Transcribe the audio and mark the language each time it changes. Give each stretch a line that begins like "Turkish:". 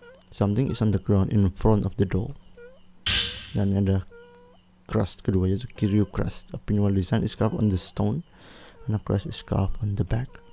English: Something is on the ground in front of the door.
Indonesian: Dan ada crust kedua, yaitu Kiryu crust.
English: A pinwheel design is carved on the stone and a crust is carved on the back.